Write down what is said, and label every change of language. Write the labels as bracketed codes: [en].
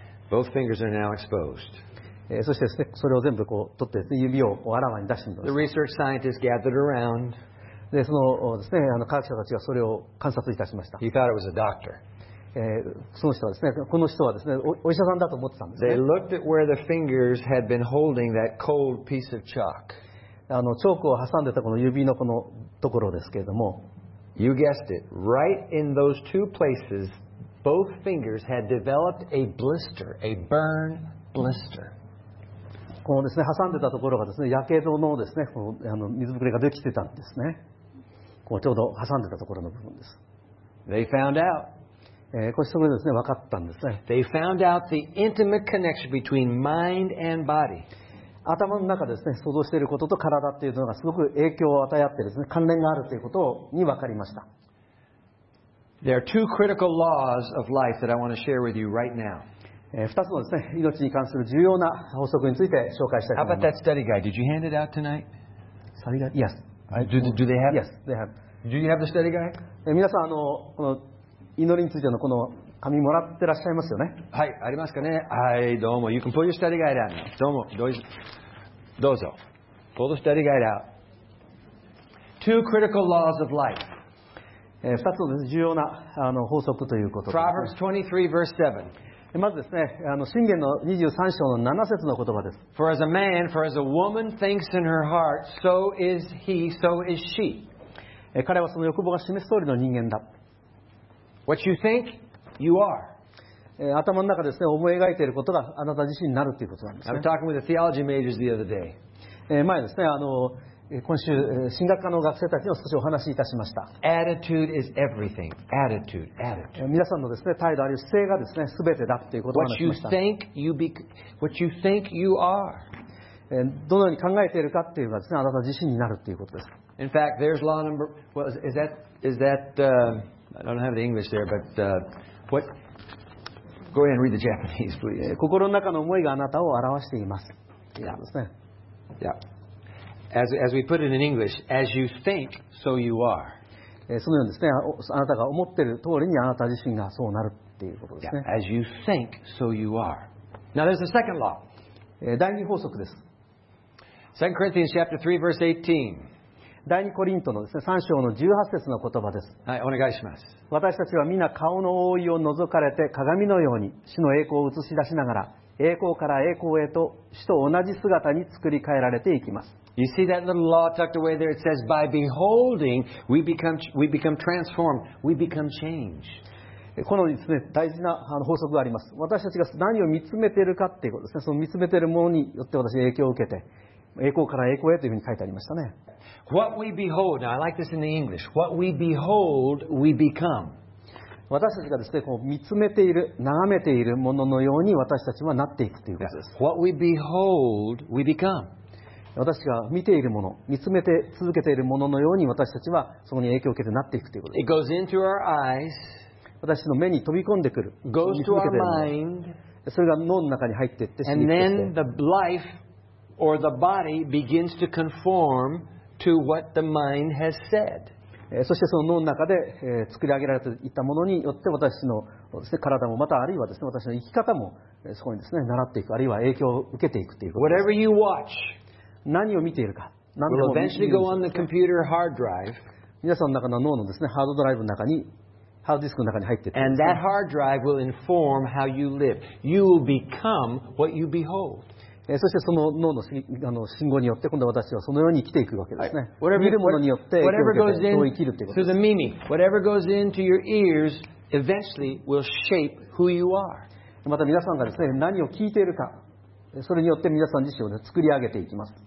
[en] Both fingers are now exposed. [ja] そしてですね、それを全部こう取ってですね、指をこうあらわに出してみました。 [en] The research scientists gathered around. [ja] で、そのですね、科学者たちがそれを観察いたしました。 [en] He thought it was a doctor. [ja] その人はですね、この人はですね、お医者さんだと思ってたんですね。 [en] They looked at where the fingers had been holding that cold piece of chalk. [ja] あのチョークを挟んでたこの指のこのところですけれども。 [en] You guessed it. Right in those two places, both fingers had developed a blister, a burn blister. [ja] このですね、挟んでたところがですね、やけどのですね、このあの水ぶくれができてたんですね。こうちょうど挟んでたところの部分です。 [en] They found out. [ja] これそれですね、分かったんですね。 [en] They found out the intimate connection between mind and body. [ja] 頭の中ですね、想像していることと体っていうのがすごく影響を与え合ってですね、関連があるということに分かりました。 [en] There are two critical laws of life that I want to share with you right now. [ja] 2つのですね、命に関する重要な法則について紹介したいと思います。 [en] How about that study guide? Did you hand it out tonight? Study guide? Yes. Do they have? Yes, they have. Do you have the study guide? [ja] 皆さん、あの、この祈りについてのこの紙もらってらっしゃいますよね。はい、ありますかね。はい、どうも。 [en] You can pull your study guide out now. [ja] どうも。どうぞ。 [en] Pull the study guide out. Two critical laws of life. [ja] 2つの重要なあの法則ということです。 [en] Proverbs 23 verse 7. [ja] まずですね、あの箴言の23章の7節の言葉です。 [en] For as a man, for as a woman thinks in her heart, so is he, so is she. [ja] 彼はその欲望が示す通りの人間だ。 [en] What you think, you are. [ja] 頭の中ですね、思い描いていることがあなた自身になるということなんですね。 [en] I'm talking with the theology majors the other day. [ja] 前ですね、あの今週神学科の学生たちを少しお話しいたしました。 [en] Attitude is everything. Attitude, attitude. [ja] 皆さんのですね、態度あるいは姿勢がですね、すべてだということを話しました。 [en] What you think, you are. [ja] どのように考えているかっていうのがですね、あなた自身になるということです。 [en] In fact, there's law number. I don't have the English there, but what? Go ahead and read the Japanese, please. [ja] 心の中の思いがあなたを表しています。 [en] Yeah. As we put it in English, as you think, so you are. [ja] そのようにですね、あなたが思っている通りにあなた自身がそうなるっていうことですね。 [en] Yeah. As you think, so you are. Now there's the second law. [ja] 第二法則です。 [en] 2 Corinthians chapter 3 verse 18. [ja] 第二コリントのですね、三章の18節の言葉です。はい、お願いします。私たちは皆顔の覆いを覗かれて鏡のように主の栄光を映し出しながら栄光から栄光へと主と同じ姿に作り変えられていきます。 [en] You see that little law tucked away there? It says, by beholding, we become transformed, we become changed. [ja] このですね、大事な法則があります。私たちが何を見つめているかっていうことですね、その見つめているものによって私が影響を受けて、栄光から栄光へというふうに書いてありましたね。 [en] What we behold, now I like this in the English. What we behold, we become. [ja] 私たちがですね、こう見つめている、眺めているもののように私たちはなっていくということです。 [en] What we behold, we become. [ja] 私が見ているもの、見つめて続けているもののように私たちはそこに影響を受けてなっていくということです。 [en] It goes into our eyes. [ja] 私の目に飛び込んでくる。 [en] Goes to our mind. [ja] それが脳の中に入っていって、 [en] And then the life. Or the body begins to conform to what the mind has said. [ja] そしてその脳の中で作り上げられていたものによって私の体もまたあるいはですね私の生き方もそこにですね習っていくあるいは影響を受けていくということ。 [en] Whatever you watch, [ja] 何を見ているか、 [en] will eventually go on the computer hard drive. [ja] 皆さんの中の脳のですねハードドライブの中にハードディスクの中に入っていく。 [en] And that hard drive will inform how you live. You will become what you behold. [ja] そしてその脳の信号によって今度私はそのように生きていくわけですね。はい、見るものによって影響を受けてどう生きるということです。 [en] Eventually will shape who you are. [ja] また皆さんがですね、何を聞いているか、それによって皆さん自身を、ね、作り上げていきます。